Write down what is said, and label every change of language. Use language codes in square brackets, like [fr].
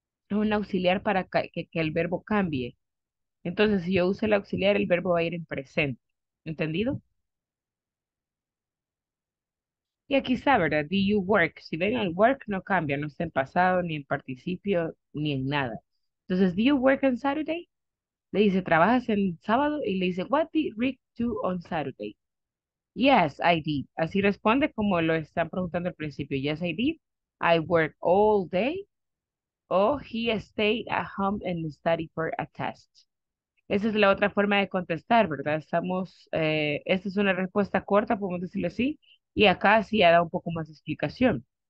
[es] Es un auxiliar para que el verbo cambie. Entonces, si yo uso el auxiliar, el verbo va a ir en presente. ¿Entendido? Y aquí está, ¿verdad? [en] Do you work? [es] Si ven el work, no cambia. No está en pasado, ni en participio, ni en nada. Entonces, [en] do you work on Saturday? [es] Le dice, ¿trabajas en sábado? Y le dice, [en] what did Rick do on Saturday? Yes, I did. [es] Así responde como lo están preguntando al principio. [en] Yes, I did. I worked all day. Oh, he stayed at home and studied for a test. [es] Esa es la otra forma de contestar, ¿verdad? Estamos, esta es una respuesta corta, podemos decirlo así. Y acá sí ha dado un poco más de explicación.